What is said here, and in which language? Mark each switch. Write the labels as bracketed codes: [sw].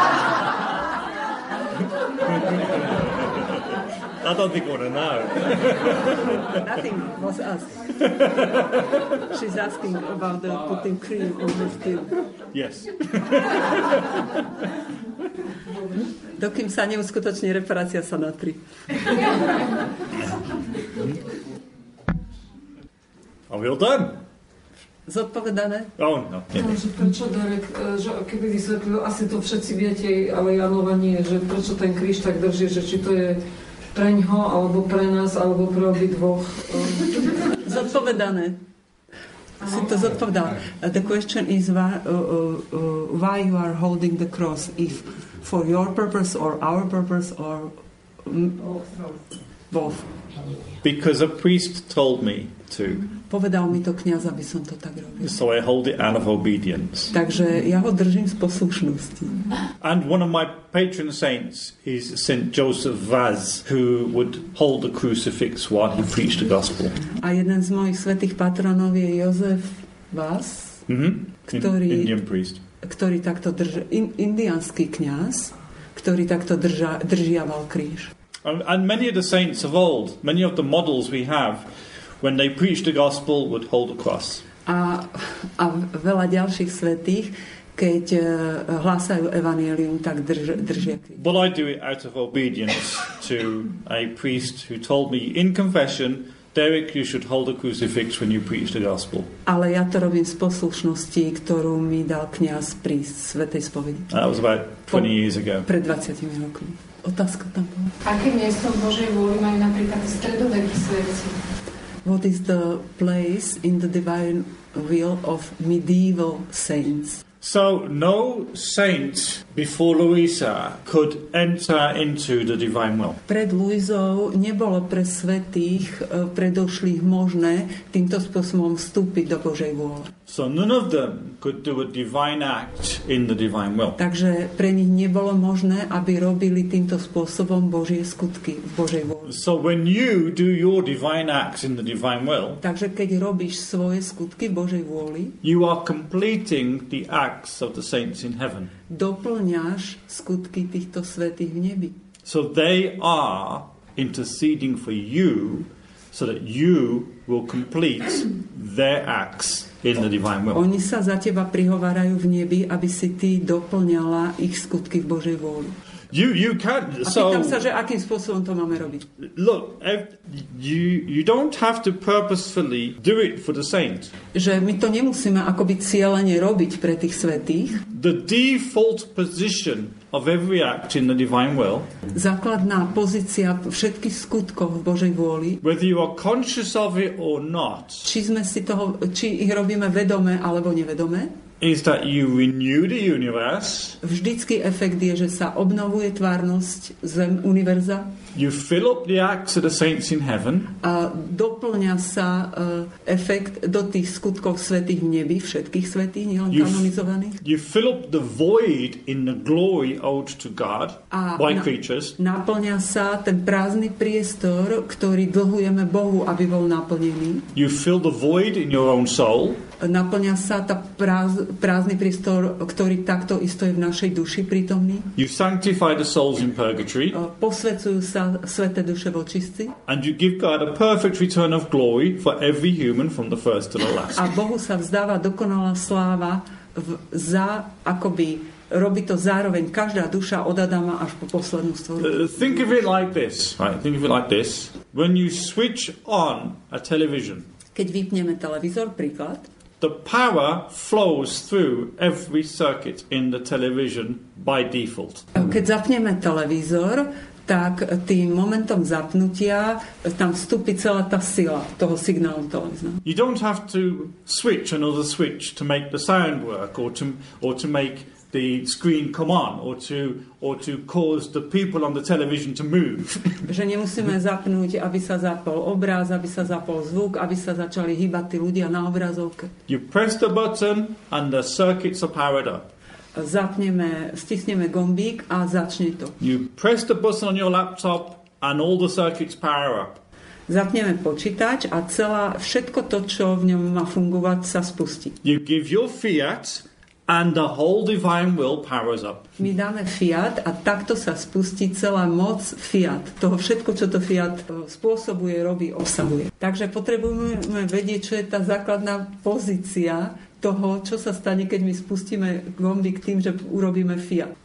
[sk] Čiže sa už nemusíme natierať? [en] I don't think we're gonna know. Nothing was asked. She's asking about the putting cream on the skin. Yes. [sk] Dokým sa neuskutoční reparácia sa natri. [en] Are we all done? [sk] Zodpovedané? [en] Oh, no. [sk] Takže prečo, Derek, že keby vysvetlil, asi to všetci viete, ale Janova nie, že prečo ten kríž tak drží, že či to je preň ho, alebo pre nás, alebo pre obi dvoch? Zodpovedané. Si to zodpovedal. [en] The question is why you are holding the cross, if for your purpose or our purpose or both? Because a priest told me to. [sk] Povedal mi to kňaz, aby som to tak robil. [en] So I hold it out of obedience. [sk] Takže ja ho držím z poslušnosti. [en] And one of my patron saints is Saint Joseph Vaz, who would hold the crucifix while he preached the gospel. [sk] A jeden z mojich svätých patronov je Jozef Vaz, ktorý [en] Indian priest. [sk] Ktorý takto drží indiánsky kňaz, ktorý takto držiaval kríž. [en] And many of the saints of old, many of the models we have, when they preached the gospel, would hold a cross. [sk] A veľa ďalších svätých, keď hlásajú evanjelium, tak držia kríž. [en] But I do it out of obedience to a priest who told me in confession, Derek, you should hold a crucifix when you preach the gospel. [sk] Ale ja to robím z poslušnosti, ktorú mi dal kňaz pri svätej spovedi. [en] That was about 20 years ago. [sk] Pred 20 rokmi. Otázka tam bola. Aké miesto v Božej vôli majú napríklad stredoveký svetci? [en] What is the place in the divine will of medieval saints? So no saint before Louisa could enter into the divine will. [sk] Pred Louisou nebolo pre svätých predošlých možné týmto spôsobom vstúpiť do Božej vôle. [en] So none of them could do a divine act in the divine will. [sk] Takže pre nich nebolo možné, aby robili týmto spôsobom Božie skutky v Božej vôli. [en] So when you do your divine acts in the divine will, [sk] takže keď robíš svoje skutky v Božej vôli, [en] you are completing the acts of the saints in heaven. [sk] Doplňaš skutky týchto svätých v nebi. [en] So they are interceding for you so that you will complete their acts in the divine will. [sk] Oni sa za teba prihovárajú v nebi, aby si ty doplňala ich skutky v Božej vôli. [en] You can't. So, [sk] a pýtam sa, že akým spôsobom to máme robiť? [en] Look, you don't have to purposefully do it for the saint. [sk] Že my to nemusíme akoby cielene robiť pre tých svätých. [en] The default position of every act in the divine will. [sk] Základná pozícia všetkých skutkov v Božej vôli. [en] Whether you are conscious of it or not. [sk] Či sme si toho, či ich robíme vedome alebo nevedome. [en] Is that you renew the universe. [sk] Vždycky efekt je, že sa obnovuje tvárnosť zem univerza. [en] You fill up the acts of the saints in heaven. [sk] A doplňa sa efekt do tých skutkov svätých v nebi, všetkých svätých, nielen kanonizovaných. [en] You fill up the void in the glory owed to God by creatures. [sk] Naplňa sa ten prázdny priestor, ktorý dlhujeme Bohu, aby bol naplnený. [en] You fill the void in your own soul. [sk] Naplňa sa tá prázdny priestor, ktorý takto isto je v našej duši prítomný. [en] You sanctify the souls in purgatory. [sk] Posvecujú sa sväté duše v očistci. [en] And you give God a perfect return of glory for every human from the first to the last. [sk] A Bohu sa vzdáva dokonalá sláva za akoby robí to zároveň každá duša od Adama až po poslednú stvoru. [en] Think of it like this. Right, think of it like this. When you switch on a television. [sk] Keď vypneme televízor, príklad. [en] The power flows through every circuit in the television by default. [sk] Keď zapneme televízor, tak tým momentom zapnutia tam vstúpi celá tá sila toho signálu televízora. [en] You don't have to switch another switch to make the sound work or to make the screen come on or to cause the people on the television to move. [sk] Že nemusíme zapnúť, aby sa zapol obraz, aby sa zapol zvuk, aby sa začali hýbať tí ľudia na obrazovke. [en] You press the button and the circuits are powered up. [sk] Zapneme, stisneme gombík a začne to. [en] You press the button on your laptop and all the circuits power up. [sk] Zapneme počítač a celá všetko to, čo v ňom má fungovať, sa spustí. [en] You give your fiat and the whole divine will powers up. [sk] My dáme fiat a takto sa spustí celá moc fiat. Toho všetko, čo to fiat spôsobuje, robí, obsahuje. Takže potrebujeme vedieť, čo je tá základná pozícia toho, čo sa stane, keď my spustíme gombík tým, že urobíme fiat.